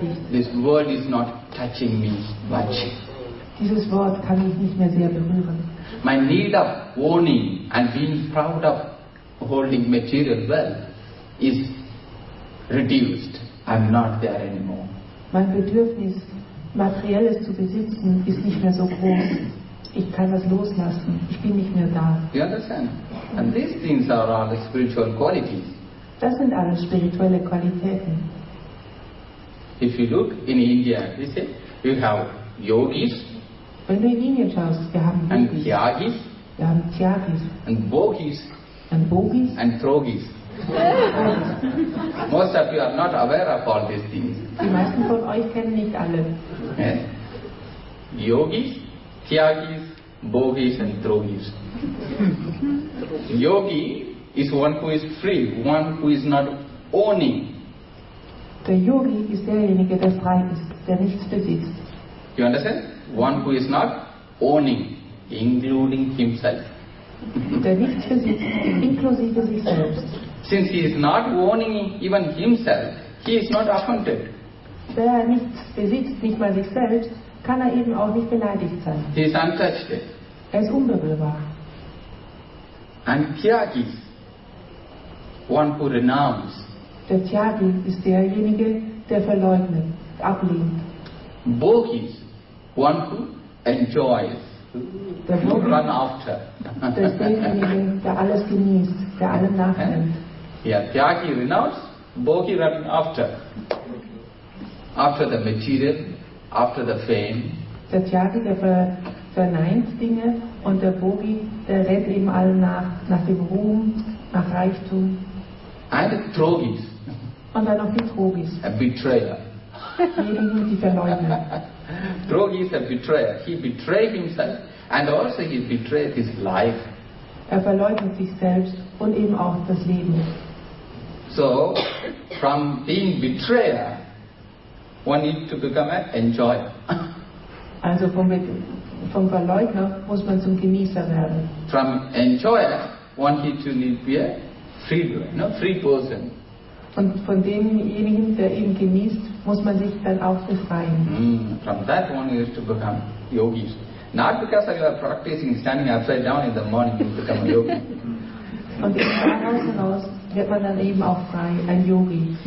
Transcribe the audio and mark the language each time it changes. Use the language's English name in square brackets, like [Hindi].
[English] This word is not touching me much. [German] Dieses Wort kann mich nicht mehr sehr berühren. [English] My need of owning and being proud of holding material well is reduced. I'm not there anymore. [German] Mein Bedürfnis, Materielles zu besitzen, ist nicht mehr so groß. Ich kann das loslassen. Ich bin nicht mehr da. [English] You understand? And these things are all spiritual qualities. [German] Das sind alles spirituelle Qualitäten. [English] If you look in India, you see, you have yogis. [German] Wenn du in Indien schaust, wir haben Yogis. [English] And Tyagis. [German] Wir haben Tyagis. [English] And Bogis. And Bogis. And Trogis. Most of you are not aware of all these things. [German] Die meisten von euch kennen nicht alle. [English] Yogis, Tyagis, Bogis and Drogis. Yogi is one who is free, one who is not owning. [German] Der Yogi ist derjenige, der frei ist, der nichts besitzt. [English] You understand? One who is not owning, including himself. [German] Der nichts besitzt, inklusive sich selbst. [English] Since he is not owning even himself, he is not affronted. [German] Wer nichts besitzt, nicht mal sich selbst, kann eben auch nicht beleidigt sein. [English] He is untouched. [German] Ist unberührbar. [English] And Tyagi, one who renounces. [German] Der Tyagi ist derjenige, der verleugnet, ablehnt. [English] Bogis, one who enjoys, [German] der [English] who run after. [German] Das ist derjenige, der alles genießt, der allem nachnimmt. [English] Yeah, Tyagi renounces, Bogi run after the material, after the fame. [German] Der Tyagi, der verneint Dinge, und der Bogi, der rennt eben allem nach dem Ruhm, nach Reichtum. [English] And Trogis. [German] Und dann noch die Trogis. [English] A betrayer. [German] Diejenigen, die verleugnen. [English] Trogi is a betrayer. He betrays himself and also he betrays his life. [German] Er verleugnet sich selbst und eben auch das Leben. [English] So, from being betrayer, one needs to become an enjoyer. [German] Also vom Verleugner muss man zum Genießer werden. [English] From enjoyer, one needs to be a free person. [German] Und von demjenigen, der eben genießt, muss man sich dann auch befreien. [English] From that one you have to become yogis. Not because you are practicing standing upside down in the morning, you become a yogi. [German] Und daraus hinaus wird man dann eben auch frei, ein Yogi.